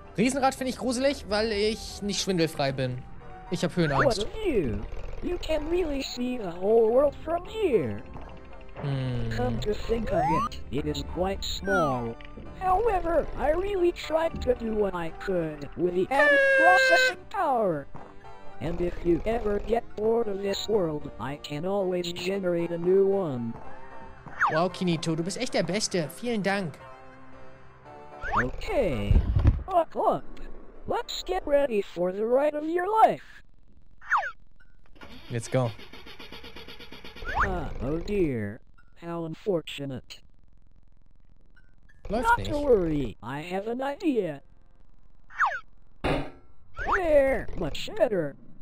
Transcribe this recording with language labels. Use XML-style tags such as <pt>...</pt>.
<de>Riesenrad finde ich gruselig, weil ich nicht schwindelfrei bin. Ich habe Höhenangst.</de> <en>You can really see the whole world from here. Come to think of it, it is quite small. However, I really tried to do what I could with the added processing power. And if you ever get bored of this world, I can always generate a new one.</en> <de>Wow, Kinito, du bist echt der Beste. Vielen Dank.</de> <en>Okay. Buckle up. Let's get ready for the ride of your life. Let's go. Oh dear. How unfortunate.</en> <de>Lass</de> <en>Not</en> <de>nicht.</de> <en>To worry, I have an idea. There, much better.</en>